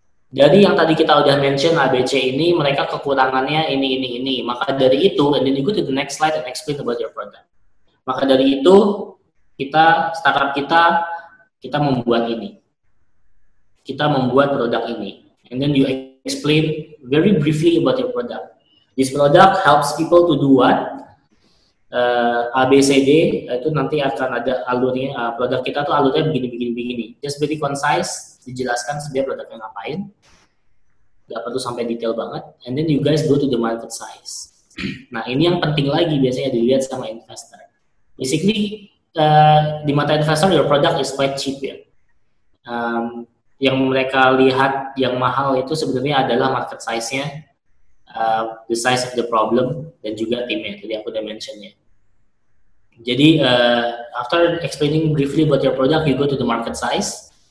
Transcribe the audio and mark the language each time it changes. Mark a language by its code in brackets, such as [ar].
[id] Dari yang tadi kita udah mention ABC ini, mereka kekurangannya ini. Maka dari itu, [en] and then you go to the next slide and explain about your product. [id] Maka dari itu, kita, startup kita membuat ini. Kita membuat produk ini. [en] And then you explain very briefly about your product. This product helps people to do what? [id] ABCD itu nanti akan ada alurnya, produk kita tuh alurnya begini. [en] Just very concise, [id] dijelaskan sebenarnya produknya ngapain. Gak perlu sampai detail banget. [en] And then you guys go to the market size. [id] Nah, ini yang penting lagi biasanya dilihat sama investor. [en] Basically, [id] di mata investor, [en] your product is quite cheap ya. [id] Yang mereka lihat yang mahal itu sebenarnya adalah market size-nya, [en] the size of the problem, [id] dan juga timnya. Tadi aku udah mention-nya. Jadi, [en] after explaining briefly about your product, you go to the market size.